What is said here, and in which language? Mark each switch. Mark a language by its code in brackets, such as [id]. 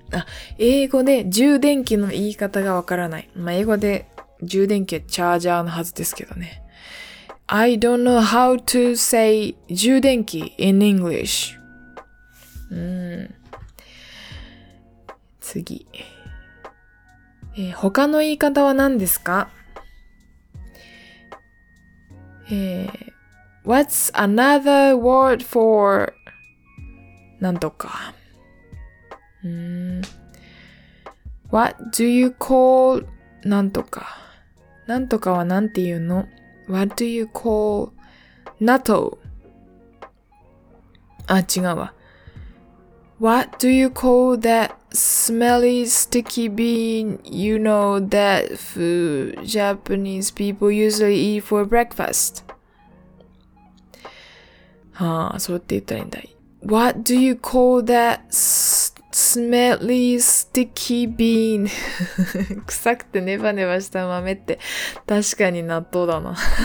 [ja] あ、英語で充電器の言い方がわからない。まあ、英語で充電器はチャージャーのはずですけどね。 [en] I don't know how to say 充電器 in English. [ja] 次、他の言い方は何ですか？ [en] What's another word for なんとか。 What do you call なんとか。 [ja] なんとかはなんて言うの？ [en] What do you call NATO? [ja] あ、違うわ。 [en] What do you call that smelly sticky bean you know that food Japanese people usually eat for breakfast? [ja] はあ、そうって言ったらいいんだい。 [en] What do you call that smelly sticky bean? [ja] 臭くてネバネバした豆って確かに納豆だな。